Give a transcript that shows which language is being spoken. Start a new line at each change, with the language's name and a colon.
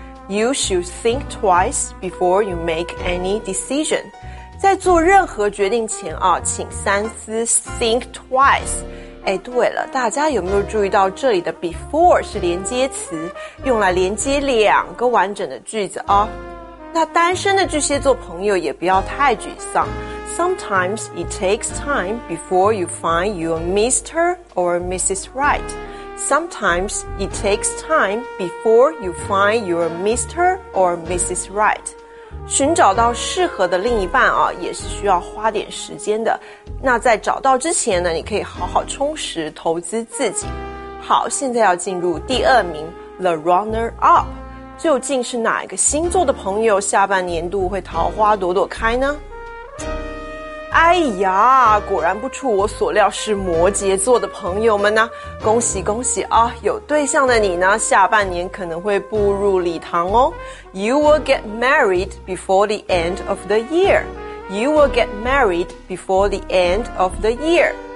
English: You should think twice before you make any decision.
Chinese: 在做任何决定前啊，请三思，
English: think twice。
Chinese: 哎，对了，大家有没有注意到这里的 before 是连接词，用来连接两个完整的句子哦。那单身的巨蟹座朋友也不要太沮丧。
English: Sometimes it takes time before you find your Mr. or Mrs. Right. Sometimes it takes time before you find your Mr. or Mrs. Right.
Chinese: 寻找到适合的另一半啊，也是需要花点时间的。那在找到之前呢，你可以好好充实投资自己。好，现在要进入第二名
English: The Runner Up。
Chinese: 究竟是哪一个星座的朋友下半年度会桃花朵朵开呢？哎呀，果然不出我所料，是摩羯座的朋友们呢、啊、恭喜恭喜啊，有对象的你呢，下半年可能会步入礼堂哦。
English: You will get married before the end of the year. You will get married before the end of the year.